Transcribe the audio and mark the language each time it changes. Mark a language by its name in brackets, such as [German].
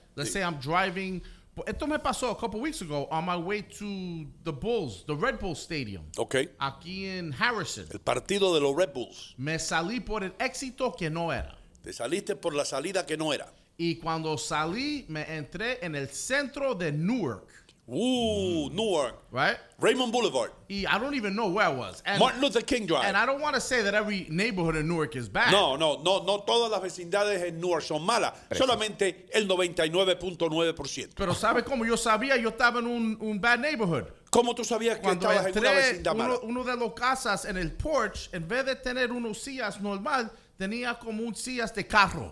[English] Let's say I'm driving. [Spanish] Esto me pasó [English] a couple weeks ago on my way to the Bulls, the Red Bull Stadium. Okay. [Spanish] Aquí en Harrison. El partido de los Red Bulls. Me salí por el éxito que no era. Te saliste por la salida que no era. Y cuando salí, me entré en el centro de Newark. Newark. [English] Right? Raymond Boulevard. Y I don't even know where I was. And Martin Luther King Drive. And I don't want to say that every neighborhood in Newark is bad. [Spanish] No, todas las vecindades en Newark son malas. Precio. Solamente el 99.9%. Pero ¿sabe cómo yo sabía? Yo estaba en un [English] bad neighborhood. [Spanish] ¿Cómo tú sabías que cuando estabas entré, en una vecindad mala? Uno de los casas en el porch, en vez de tener unos sillas normal, tenía como un sillas de carro.